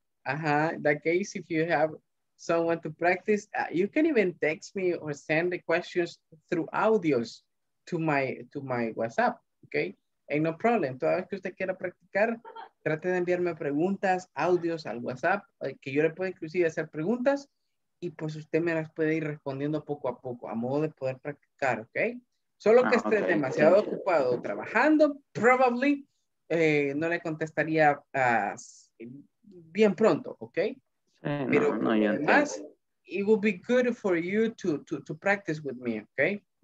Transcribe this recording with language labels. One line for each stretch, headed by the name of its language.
English: In that case, if you have someone to practice, you can even text me or send the questions through audios to my WhatsApp, okay? And no problem.
Spanish: Toda vez que usted quiera practicar, trate de enviarme preguntas, audios al WhatsApp, que yo le puedo inclusive hacer preguntas y pues usted me las puede ir respondiendo poco a poco a modo de poder practicar, okay? Solo que esté demasiado ocupado trabajando, probably no le contestaría bien pronto, okay? Pero además,
English: it would be good for you to practice with me, okay?